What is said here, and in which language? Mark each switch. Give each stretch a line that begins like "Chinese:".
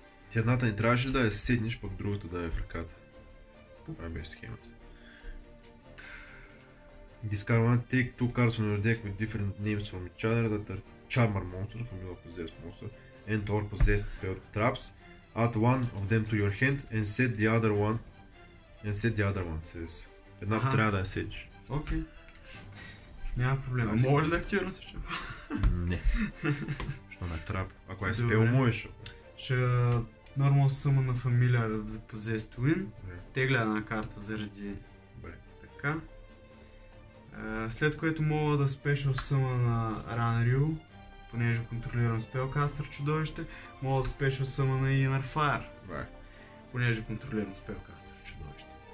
Bulgarian: Ти едната не трябваше ли да я седнеш, пък другата да е в ръката? Това беше схемата.
English: Discard one, take two cards from your deck with different names from each other that are Charmer monster, familiar possessed monster, and or possessed spell traps. Add one of them to your hand and set the other one. And set the other one, says.
Bulgarian: Една трябва да я седиш. Окей. Няма проблем. Мога ли да активирам също? Не. Що не трябва? Ако е спел, можеш. Ще нормал съма на фамилия да possessed win. Тегля една карта заради... Така. След което мога да спешъл съма на Ranriu, понеже контролирам спелкастър чудовище, мога да спешъл съма на Inner Fire, понеже контролирам спелкастър чудовище.